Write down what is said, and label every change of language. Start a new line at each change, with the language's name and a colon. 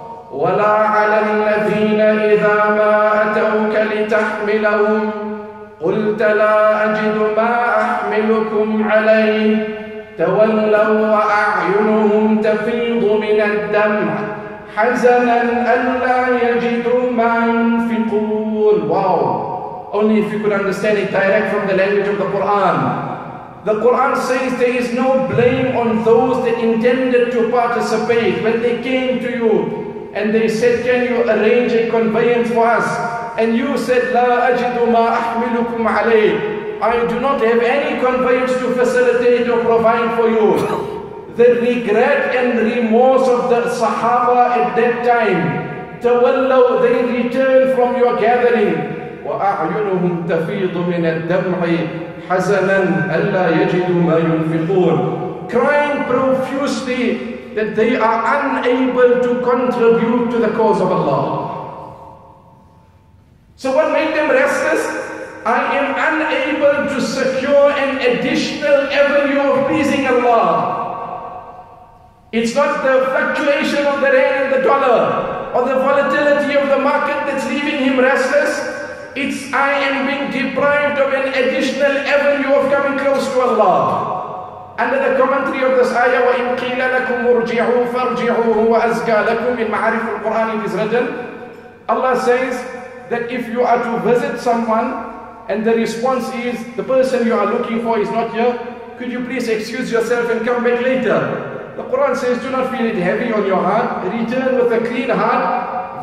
Arabic: وَلَا عَلَى الَّذِينَ إِذَا مَا أَتَوْكَ لِتَحْمِلَهُمْ قُلْتَ لَا أَجِدُ مَا أَحْمِلُكُمْ عَلَيْهِ تَوَلَّوْا وَأَعْيُنُهُمْ تَفِيضُ مِنَ الدَّمْعِ حَزَنًا أَلَّا يَجِدُوا مَا يُنْفِقُونَ. Wow!
English: Only if you could understand it direct from the language of the Quran. The Quran says there is no blame on those that intended to participate. When they came to you and they said, can you arrange a conveyance for us? And you said,
Arabic: لَا أَجِدُ مَا أَحْمِلُكُمْ عَلَيْهِ.
English: I do not have any conveyance to facilitate or provide for you. The regret and remorse of the Sahaba at that time, تَوَلَّوْا, they returned from your gathering.
Arabic: وَأَعْيُنُهُمْ تَفِيضُ مِنَ الدَّمْعِ حَزَنًا أَلَّا يَجِدُوا مَا يُنْفِقُونَ.
English: Crying profusely that they are unable to contribute to the cause of Allah. So what made them restless? I am unable to secure an additional avenue of pleasing Allah. It's not the fluctuation of the rand and the dollar or the volatility of the market that's leaving him restless. It's I am being deprived of an additional avenue of coming close to Allah. Under the commentary of this ayah,
Arabic: وَإِن قِيلَ لَكُمْ مُرْجِعُوا فَارْجِعُوا هُوَ أَزْكَى لَكُمْ.
English: In Ma'arif al-Quran, it is written, Allah says that if you are to visit someone, and the response is, the person you are looking for is not here, could you please excuse yourself and come back later? The Quran says, do not feel it heavy on your heart. Return with a clean heart.